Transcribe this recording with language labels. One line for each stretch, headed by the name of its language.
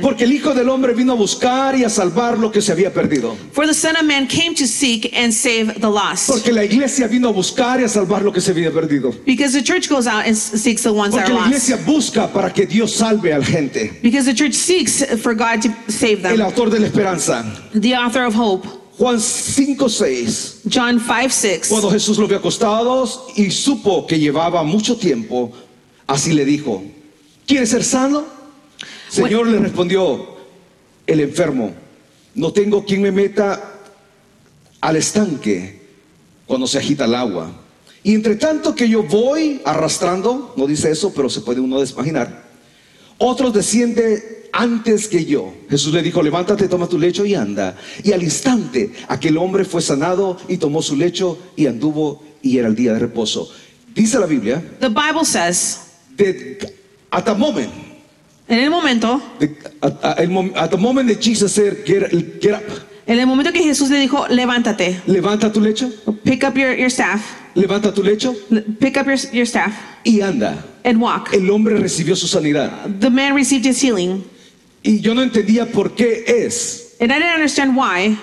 Spanish: Porque el Hijo del Hombre vino a buscar y a salvar lo que se había perdido.
English: For the Son of Man came to seek and save the lost.
Spanish: Porque la iglesia vino a buscar y a salvar lo que se había perdido.
English: Because the church goes out and seeks the ones
Spanish: Porque
English: that are lost.
Spanish: Porque la iglesia busca para que Dios salve a la gente.
English: Because the church seeks for God to save them.
Spanish: El autor de la esperanza.
English: The author of hope.
Spanish: Juan 5:6.
English: John 5:6.
Spanish: Cuando Jesús lo vio acostado y supo que llevaba mucho tiempo, así le dijo, ¿quieres ser sano? Señor le respondió el enfermo, no tengo quien me meta al estanque cuando se agita el agua. Y entre tanto que yo voy arrastrando, no dice eso, pero se puede uno imaginar, otro desciende antes que yo. Jesús le dijo, levántate, toma tu lecho y anda. Y al instante aquel hombre fue sanado y tomó su lecho y anduvo, y era el día de reposo. Dice la Biblia.
English: The Bible says. At the moment.
Spanish: En el momento,
English: at the moment that Jesus said, get up.
Spanish: En el momento que Jesús le dijo, levántate. Levanta tu lecho.
English: Pick up your staff.
Spanish: Levanta tu lecho.
English: Pick up your staff.
Spanish: Y anda.
English: And walk.
Spanish: El hombre recibió su sanidad.
English: The man received his healing.
Spanish: Y yo no entendía por qué es.
English: And I didn't understand why.